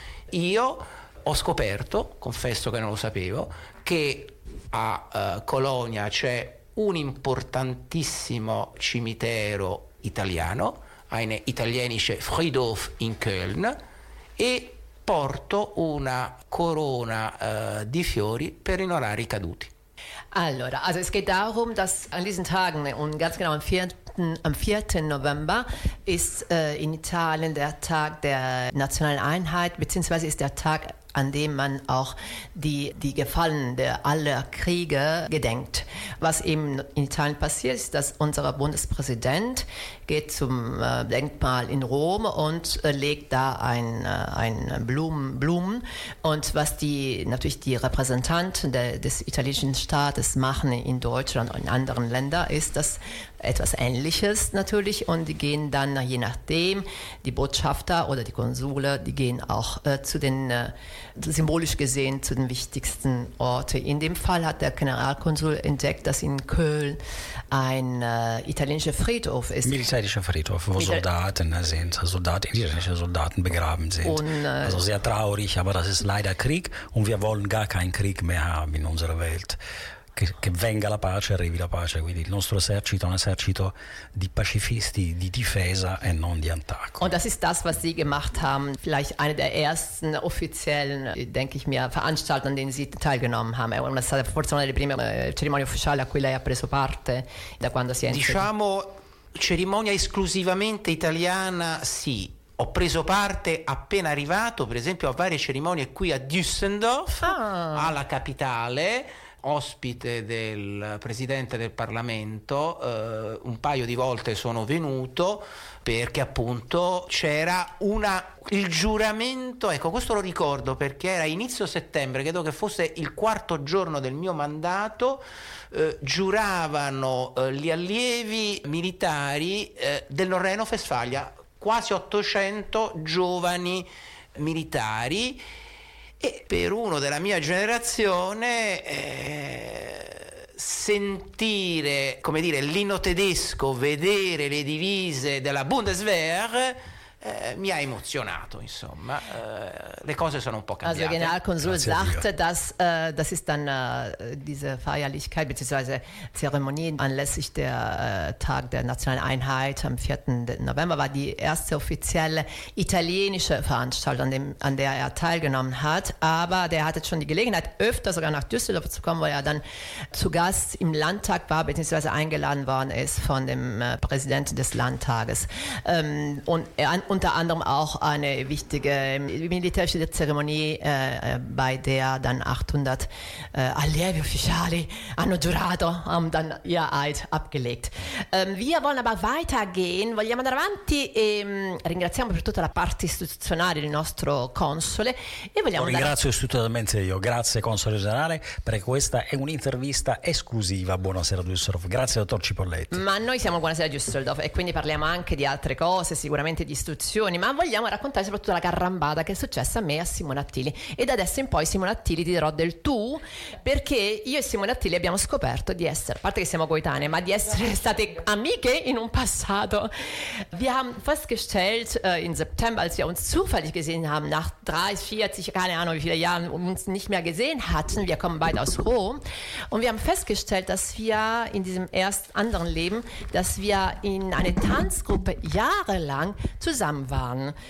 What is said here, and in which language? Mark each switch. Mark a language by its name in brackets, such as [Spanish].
[Italian] Io ho scoperto, confesso che non lo sapevo, che a Colonia c'è un importantissimo cimitero italiano, [German] ein italienischer Friedhof in Köln, [Italian] e porto una corona di fiori per onorare i caduti. [German] Allora, also es geht darum, dass an diesen Tagen, und ganz genau am 4. November, ist in Italien der Tag der nationalen Einheit, beziehungsweise ist der Tag, an dem man auch die Gefallenen aller Kriege gedenkt. Was eben in Italien passiert ist, dass unser Bundespräsident geht zum Denkmal in Rom und legt da ein Blumen. Und was die Repräsentanten des italienischen Staates machen in Deutschland und in anderen Ländern, ist das etwas Ähnliches natürlich. Und die gehen dann, je nachdem, die Botschafter oder die Konsule, die gehen auch zu den, symbolisch gesehen, zu den wichtigsten Orten. In dem Fall hat der Generalkonsul entdeckt, dass in Köln ein italienischer Friedhof ist. Militärischer Friedhof, wo Soldaten begraben sind. Also sehr traurig, aber das ist leider Krieg und wir wollen gar keinen Krieg mehr haben in unserer Welt. [Italian] che venga la pace, arrivi la pace. Quindi il nostro esercito è un esercito di pacifisti, di difesa e non di attacco. [German] Und das ist das, was Sie gemacht haben, vielleicht eine der ersten offiziellen, denke ich mir, Veranstaltungen, an denen Sie teilgenommen haben. [Italian] È stata forse una delle prime cerimonie ufficiali a cui lei ha preso parte da quando si è entrato. Diciamo cerimonia esclusivamente italiana, sì. Ho preso parte appena arrivato, per esempio, a varie cerimonie qui a Düsseldorf, ah, alla capitale, ospite del presidente del Parlamento. Un paio di volte sono venuto perché appunto c'era una, il giuramento, ecco, questo lo ricordo perché era inizio settembre, credo che fosse il quarto giorno del mio mandato. Giuravano gli allievi militari del Nordrhein-Westfalia, quasi 800 giovani militari, e per uno della mia generazione sentire, come dire, l'inno tedesco, vedere le divise della Bundeswehr mi ha emozionato, insomma. Le cose sono un po' cambiate. [German] Also Generalkonsul sagte, dass das ist dann diese Feierlichkeit bzw. Zeremonie anlässlich der Tag der nationalen Einheit am 4. November war die erste offizielle italienische Veranstaltung, an der er teilgenommen hat, aber der hatte schon die Gelegenheit öfter sogar nach Düsseldorf zu kommen, wo er dann zu Gast im Landtag war bzw. eingeladen worden ist von dem Präsidenten des Landtages. Und er unter anderem auch eine wichtige militärische Zeremonie, bei der dann 800 [Italian] allievi ufficiali hanno giurato, [German] haben dann ihr Eid abgelegt. Wir wollen aber weitergehen, [Italian] vogliamo andare avanti e ringraziamo per tutta la parte istituzionale il nostro console e vogliamo ringrazio istituzionalmente io, grazie console generale, perché questa è un'intervista esclusiva. Buonasera Düsseldorf, grazie dottor Cipolletti. Ma noi siamo Buonasera Düsseldorf e quindi parliamo anche di altre cose, sicuramente di istituzioni, ma vogliamo raccontare soprattutto la carambata che è successa a me e a Simone Attili. E da adesso in poi, Simone Attili, ti dirò del tu, perché io e Simone Attili abbiamo scoperto di essere, a parte che siamo coetanee, ma di essere state amiche in un passato. [German] Wir haben festgestellt in September, als wir uns zufällig gesehen haben, nach 30, 40, keine Ahnung wie viele Jahren, uns nicht mehr gesehen hatten, wir kommen beide aus Rom, und wir haben festgestellt, dass wir in diesem erst anderen Leben, dass wir in eine Tanzgruppe jahrelang zusammen waren.